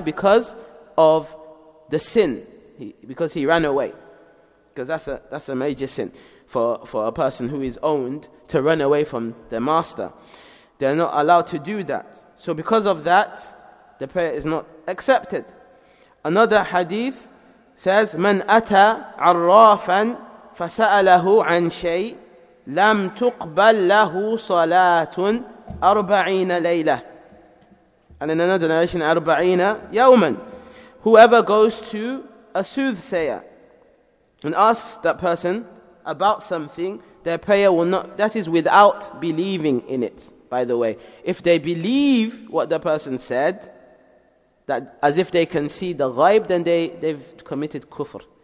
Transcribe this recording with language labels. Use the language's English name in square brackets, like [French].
[English] Because of the sin. Because he ran away. Because that's a major sin for a person who is owned to run away from their master. They're not allowed to do that. So because of that, the prayer is not accepted. Another hadith says, [Arabic] من أتى عرافا فسأله عن شيء لم تقبل له صلاة 40 ليلة. [English] And in another narration, 40 يوما. Whoever goes to a soothsayer and asks that person about something, their prayer will not, that is without believing in it, by the way. If they believe what the person said, that as if they can see the ghaib, then they've committed kufr.